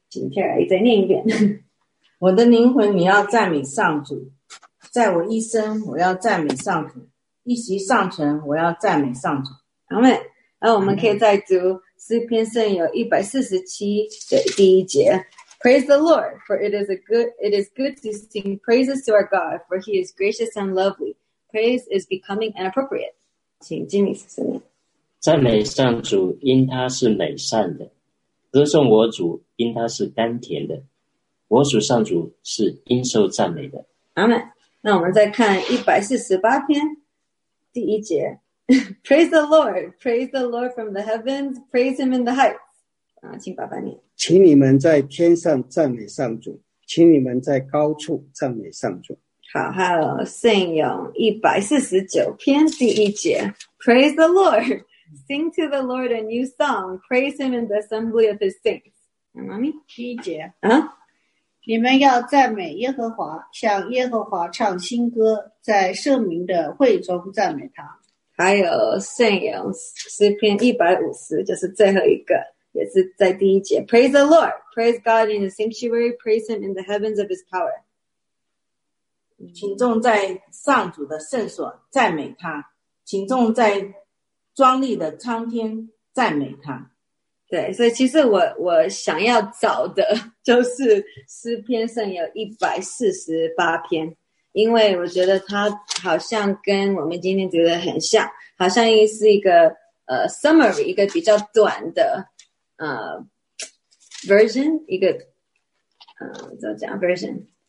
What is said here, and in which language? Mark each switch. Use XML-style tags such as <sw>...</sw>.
<zh>请 Terry 再念一遍。我的灵魂你要赞美上主，在我一生我要赞美上主，一息尚存我要赞美上主。</zh> <en>Amen。</en> <zh>那我们可以再读诗篇圣咏147的第一节。</zh> <en>Praise the Lord, for it is good to sing praises to our God, for he is gracious and lovely. Praise is becoming and appropriate.</en> <zh>请经理说说。赞美上主，因他是美善的。歌颂我主，因他是甘甜的。我属上主是应受赞美的。 Amen。 那我们再看148篇第一节。</zh> <en>Praise the Lord, praise the Lord from the heavens, praise him in the heights.</en> <zh>请爸爸念。请你们在天上赞美上主，请你们在高处赞美上主。好，还有圣咏149篇第一节。</zh> <en>Praise the Lord, sing to the Lord a new song, praise him in the assembly of his saints.</en> <zh>妈咪，第一节。啊，你们要赞美耶和华，向耶和华唱新歌，在圣民的会中赞美他。还有圣咏诗篇150，就是最后一个，也是在第一节。</zh> <en>Praise the Lord, praise God in the sanctuary, praise him in the heavens of his power.</en> <zh>群众在上主的圣所赞美他，群众在庄丽的苍天赞美他。对，所以其实我想要找的就是诗篇圣有148篇，因为我觉得它好像跟我们今天读的很像，好像是一个summary， 一个比较短的version， 一个怎么讲 version</zh>